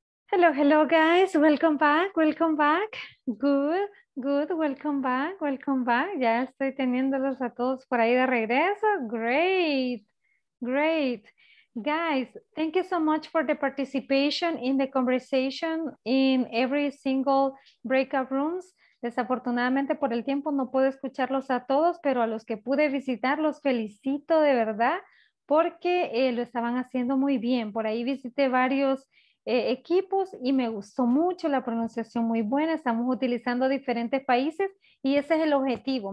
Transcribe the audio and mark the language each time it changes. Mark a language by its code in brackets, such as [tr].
[en] Hello, hello, guys. Welcome back. Good, welcome back. [es] Ya estoy teniéndolos a todos por ahí de regreso. [en] Great. Guys, thank you so much for the participation in the conversation in every single breakout rooms. [es] Desafortunadamente por el tiempo no puedo escucharlos a todos, pero a los que pude visitar los felicito de verdad porque lo estaban haciendo muy bien. Por ahí visité varios equipos y me gustó mucho la pronunciación, muy buena. Estamos utilizando diferentes países y ese es el objetivo.